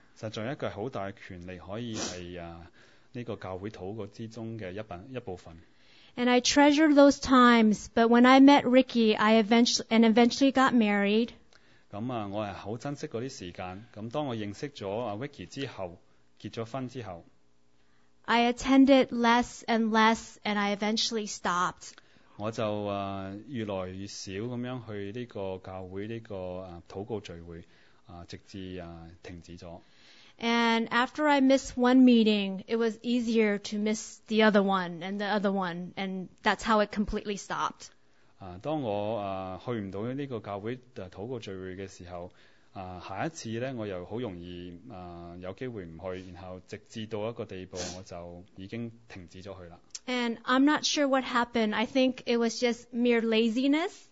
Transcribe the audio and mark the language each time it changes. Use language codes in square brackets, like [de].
[yue] 实在一个好大嘅权利，可以系呢个教会祷告之中嘅一部分。 [en] And I treasured those times, but when I met Ricky, I eventually got married. [yue] 咁我系好珍惜嗰啲时间。咁当我认识咗Ricky 之后，结咗婚之后。 [en] I attended less and less, and I eventually stopped. [yue] 我就越来越少咁样去呢个教会呢个祷告聚会，直至停止咗。 [en] And after I missed one meeting, it was easier to miss the other one and the other one, and that's how it completely stopped. [yue] 当我去唔到呢个教会祷告聚会嘅时候，下一次咧，我又好容易有機會唔去，然後直至到一個地步，我就已經停止咗去啦。 [en] And I'm not sure what happened. I think it was just mere laziness.